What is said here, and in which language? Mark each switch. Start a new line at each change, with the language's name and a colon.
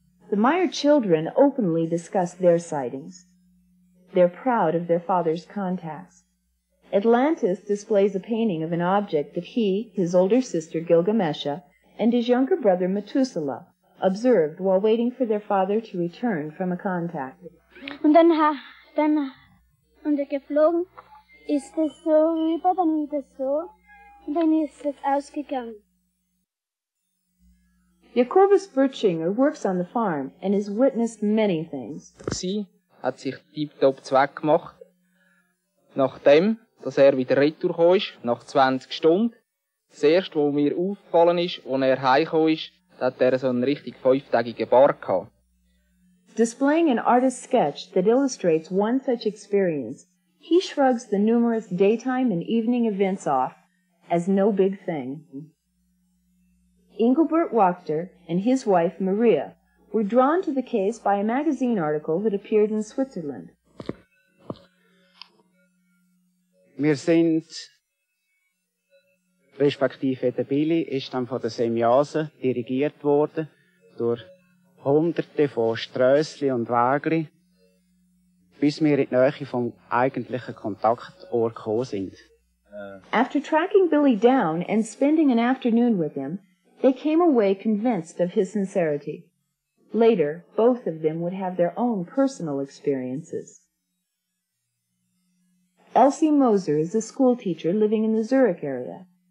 English: The Meier children openly discuss their sightings. They're proud of their father's contacts. Atlantis displays a painting of an object that he, his older sister Gilgamesha, and his younger brother Methuselah observed while waiting for their father to return from a contact.
German: Und dann geflogen ist es so rüber, dann wieder so, und dann ist es ausgegangen.
English: Jakobus Birchinger works on the farm and has witnessed many things.
German: Sie hat sich tiptop zweggemacht, nachdem, dass er wieder retourgekommen ist, nach 20 Stunden. Das erste, was mir aufgefallen ist, als er heimgekommen ist, hat er so einen richtig fünftägigen Bart gehabt.
English: Displaying an artist's sketch that illustrates one such experience, he shrugs the numerous daytime and evening events off as no big thing. Engelbert Wachter and his wife Maria were drawn to the case by a magazine article that appeared in Switzerland.
German: Wir sind respektive der Billy ist dann von der Semyaza dirigiert worden durch hunderte von Strösli und Wägli, bis wir in die Nähe vom eigentlichen Kontaktort gekommen sind.
English: After tracking Billy down and spending an afternoon with him, they came away convinced of his sincerity. Later, both of them would have their own personal experiences. Elsie Moser is a schoolteacher living in the Zurich area.